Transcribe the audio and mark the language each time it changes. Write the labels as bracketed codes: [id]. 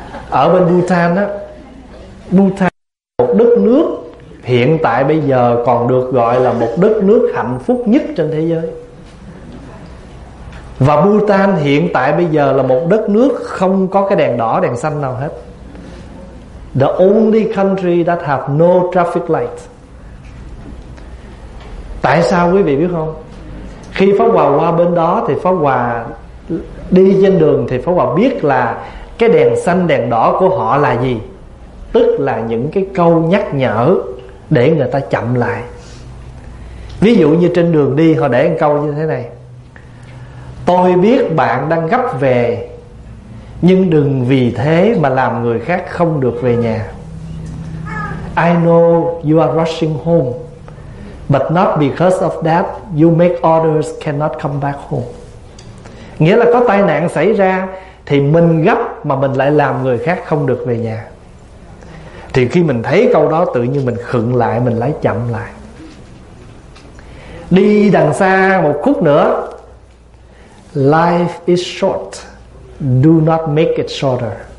[vi] Ở bên Bhutan á, Bhutan là một đất nước hiện tại bây giờ còn được gọi là một đất nước hạnh phúc nhất trên thế giới. Và Bhutan hiện tại bây giờ là một đất nước không có cái đèn đỏ đèn xanh nào hết. [en] The only country that have no traffic light. [vi] Tại sao quý vị biết không? Khi Pháp Hòa qua bên đó thì Pháp Hòa đi trên đường thì Pháp Hòa biết là cái đèn xanh đèn đỏ của họ là gì, tức là những cái câu nhắc nhở để người ta chậm lại. Ví dụ như trên đường đi họ để một câu như thế này: tôi biết bạn đang gấp về, nhưng đừng vì thế mà làm người khác không được về nhà. [en] I know you are rushing home, but not because of that you make others cannot come back home. [vi] Nghĩa là có tai nạn xảy ra thì mình gấp mà mình lại làm người khác không được về nhà. Thì khi mình thấy câu đó tự nhiên mình khựng lại, mình lái chậm lại. Đi đằng xa một khúc nữa: [en] life is short, do not make it shorter.